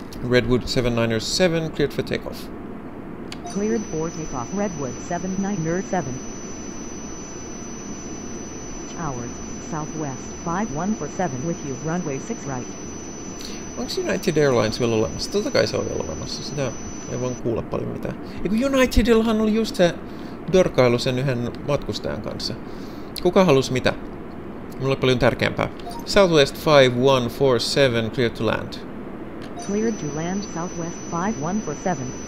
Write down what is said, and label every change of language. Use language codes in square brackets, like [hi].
[en] Redwood 797, cleared for takeoff. Cleared for takeoff, Redwood 797. Towers, Southwest 5147 with you, runway 6 right. [fi] Onks United Airlines vielä olemassa? Totta kai se on vielä olemassa, sitä ei vaan kuule paljon mitään. Eiku Unitedillahan oli just se dorkailu sen yhden matkustajan kanssa. Kuka halus mitä? Mulla on paljon tärkeämpää. [en] Southwest 5147, clear to land. Cleared to land, Southwest 5147.